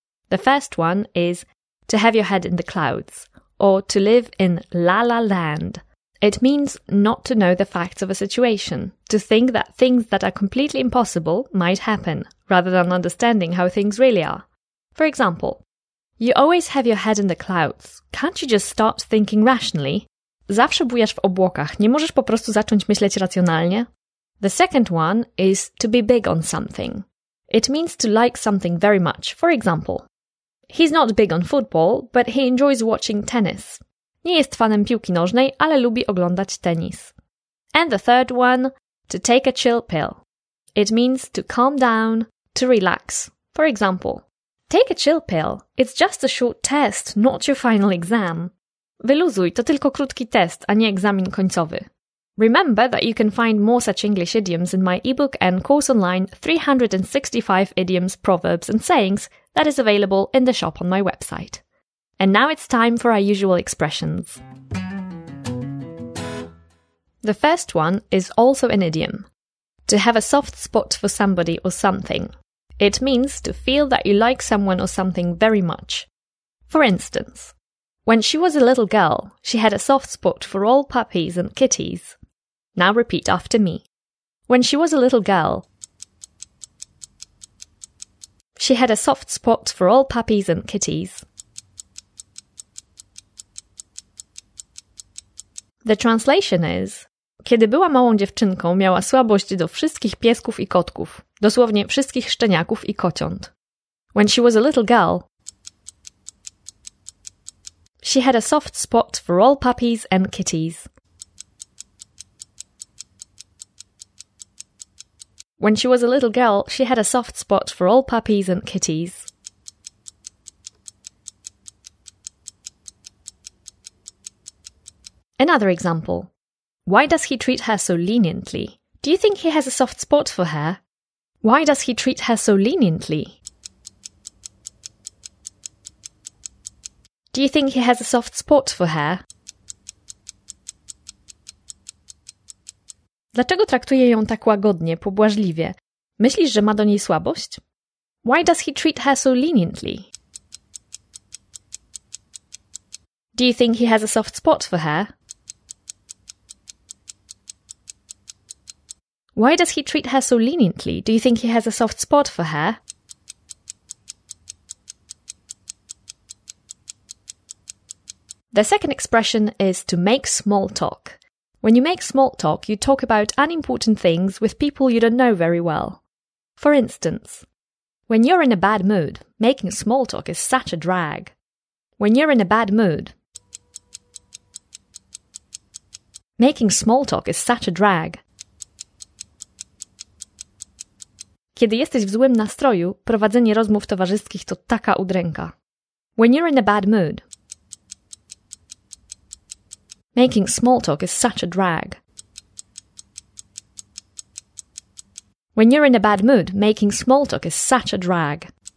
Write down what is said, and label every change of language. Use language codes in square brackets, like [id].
[en] The first one is to have your head in the clouds, or to live in la-la land. It means not to know the facts of a situation, to think that things that are completely impossible might happen, rather than understanding how things really are. For example, you always have your head in the clouds. Can't you just start thinking rationally? [pl] Zawsze bujasz w obłokach. Nie możesz po prostu zacząć myśleć racjonalnie? [en] The second one is to be big on something. It means to like something very much. For example, he's not big on football, but he enjoys watching tennis. [pl] Nie jest fanem piłki nożnej, ale lubi oglądać tenis. [en] And the third one, to take a chill pill. It means to calm down, to relax. For example, take a chill pill. It's just a short test, not your final exam. [pl] Wyluzuj, to tylko krótki test, a nie egzamin końcowy. [en] Remember that you can find more such English idioms in my ebook and course online 365 Idioms, Proverbs and Sayings that is available in the shop on my website. And now it's time for our usual expressions. The first one is also an idiom. To have a soft spot for somebody or something. It means to feel that you like someone or something very much. For instance, when she was a little girl, she had a soft spot for all puppies and kitties. Now repeat after me. When she was a little girl, she had a soft spot for all puppies and kitties. The translation is, [pl] kiedy była małą dziewczynką, miała słabość do wszystkich piesków i kotków, dosłownie wszystkich szczeniaków i kociąt. [en] When she was a little girl, she had a soft spot for all puppies and kitties. When she was a little girl, she had a soft spot for all puppies and kitties. Another example. Why does he treat her so leniently? Do you think he has a soft spot for her? Why does he treat her so leniently? Do you think he has a soft spot for her? [pl] Dlaczego traktuje ją tak łagodnie, pobłażliwie? Myślisz, że ma do niej słabość? [en] Why does he treat her so leniently? Do you think he has a soft spot for her? Why does he treat her so leniently? Do you think he has a soft spot for her? The second expression is to make small talk. When you make small talk, you talk about unimportant things with people you don't know very well. For instance, when you're in a bad mood, making small talk is such a drag. When you're in a bad mood, making small talk is such a drag. [pl] Kiedy jesteś w złym nastroju, prowadzenie rozmów towarzyskich to taka udręka. [en] When you're in a bad mood, making small talk is such a drag. When you're in a bad mood, making small talk is such a drag.